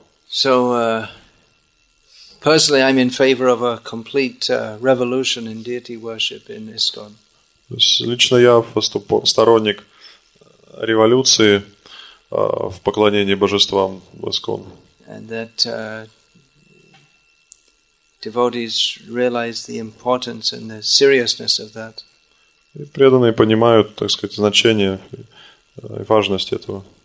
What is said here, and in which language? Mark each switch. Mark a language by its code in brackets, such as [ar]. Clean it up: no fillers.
[en] So, personally, I'm in favor of a complete revolution in deity worship in ISKCON. [ru] Лично я сторонник революции в поклонении божествам в ISKCON. [en] And that devotees realize the importance and the seriousness of that. [ru] И преданные понимают, так сказать, значение и важность этого.